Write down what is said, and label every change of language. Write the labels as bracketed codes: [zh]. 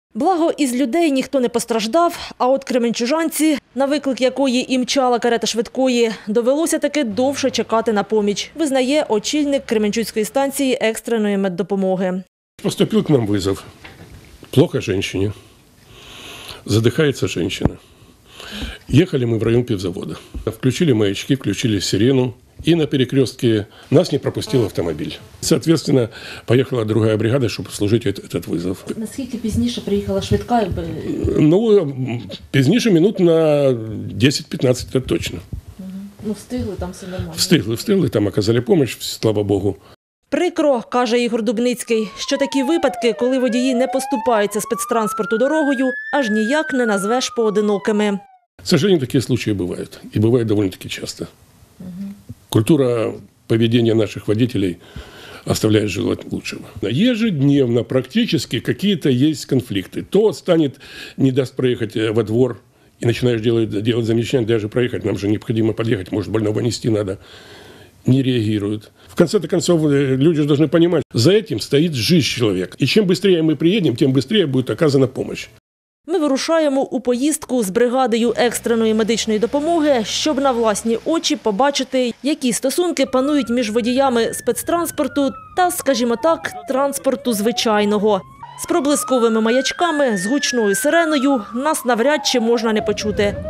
[uk] Благо, із людей ніхто не постраждав, а от кременчужанці, на виклик якої і мчала карета швидкої, довелося таки довше чекати на поміч, визнає очільник Кременчуцької станції екстреної меддопомоги. Поступив к нам визов. Плохо жінці. Задихається жінка. Їхали ми в район півзаводу. [ru] Включили маячки, включили сирену. И на перекрестке нас не пропустил автомобиль. Соответственно, поехала другая бригада, чтобы служить этот вызов. Насколько позже приехала швидкая? Ну, позже минут на 10-15, это точно. [uk] Ну, встигли, там все нормально. [ru] Встигли, там оказали помощь, слава Богу. [uk] Прикро, каже Ігор Дубницький, що такі випадки, коли водії не поступаються спецтранспорту дорогою, аж ніяк не назвеш поодинокими. [ru] К сожалению, [uk] такі случаи бувають. І буває довольно-таки часто. [ru] Культура поведения наших водителей оставляет желать лучшего. Ежедневно практически какие-то есть конфликты. То станет, не даст проехать во двор, и начинаешь делать замечания, даже проехать, нам же необходимо подъехать, может, больного нести надо. Не реагируют. В конце-то концов, люди же должны понимать, за этим стоит жизнь человека. И чем быстрее мы приедем, тем быстрее будет оказана помощь. [uk] Ми вирушаємо у поїздку з бригадою екстреної медичної допомоги, щоб на власні очі побачити, які стосунки панують між водіями спецтранспорту та, скажімо так, транспорту звичайного. З проблисковими маячками, з гучною сиреною нас навряд чи можна не почути.